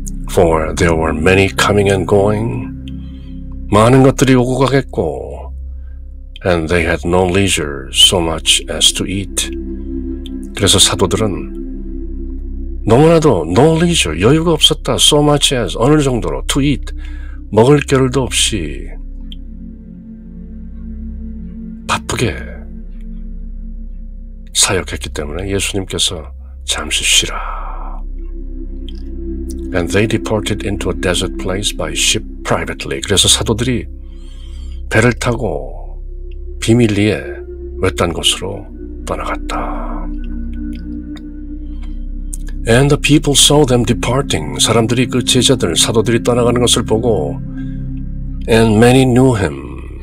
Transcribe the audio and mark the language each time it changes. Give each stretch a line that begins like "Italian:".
English: For there were many coming and going
Korean: 많은 것들이 오고 가겠고
English: and they had no leisure so much as to eat
Korean: 그래서 사도들은 너무나도
English: no leisure
Korean: 여유가 없었다
English: so much as
Korean: 어느 정도로
English: to eat
Korean: 먹을 겨를도 없이 바쁘게 사역했기 때문에 예수님께서 잠시 쉬라.
English: And they departed into a desert place by ship privately.
Korean: 그래서 사도들이 배를 타고 비밀리에 외딴 곳으로 떠나갔다.
English: And the people saw them departing.
Korean: 사람들이 그 제자들, 사도들이 떠나가는 것을 보고
English: And many knew him.